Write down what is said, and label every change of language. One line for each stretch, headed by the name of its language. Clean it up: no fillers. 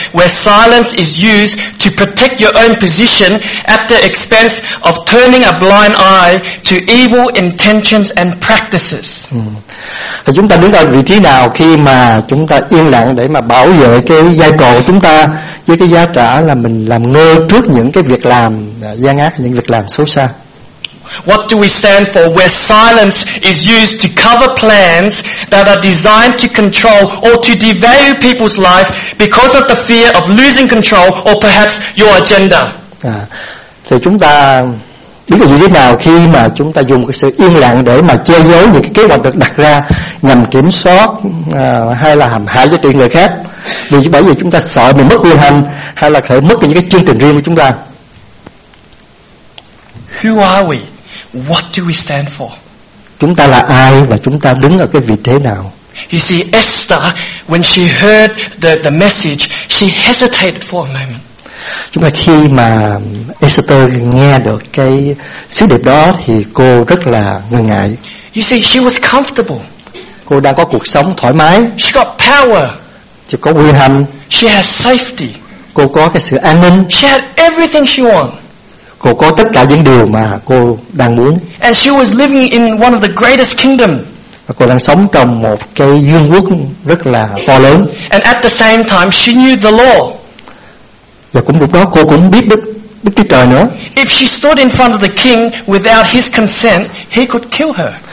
English: Where silence is used to protect your own position at the expense of turning a blind eye to evil intentions and practices.
Vietnamese: Thì chúng ta đứng ở vị trí nào khi mà chúng ta yên lặng để mà bảo vệ cái vai trò của chúng ta với cái giá trả là mình làm ngơ trước những cái việc làm gian ác, những việc làm xấu xa?
English: What do we stand for? Where silence is used to cover plans that are designed to control or to devalue people's life because of the fear of losing control or perhaps your agenda.
Vietnamese: Thì chúng ta biết như thế nào khi mà chúng ta dùng cái sự yên lặng để mà che giấu những cái kế hoạch được đặt ra nhằm kiểm soát hay là hãm hại giá trị người khác. Vì bởi vì chúng ta sợ mình mất quyền hành hay là phải mất những cái chương trình riêng của chúng ta.
English: Who are we? What do we stand for?
Vietnamese: Chúng ta là ai và chúng ta đứng ở cái vị thế nào?
English: You see, Esther, when she heard the message, she hesitated for a moment.
Vietnamese: Chúng ta khi mà Esther nghe được cái sứ điệp đó thì cô rất là ngần ngại.
English: You see, she was comfortable.
Vietnamese: Cô đang có cuộc sống thoải mái.
English: She got power.
Vietnamese: Chỉ có quyền hành.
English: She has safety.
Vietnamese: Cô có cái sự an ninh.
English: She had everything she wanted.
Vietnamese: Cô có tất cả những điều mà cô đang muốn.
English: And she was living in one of the greatest kingdom.
Vietnamese: Và cô đang sống trong một cái vương quốc rất là to lớn.
English: And at the same time she knew the law.
Vietnamese: Và cũng lúc đó cô cũng biết Đức Chúa Trời nữa.
English: If she stood in front of the king without his consent, he could kill her.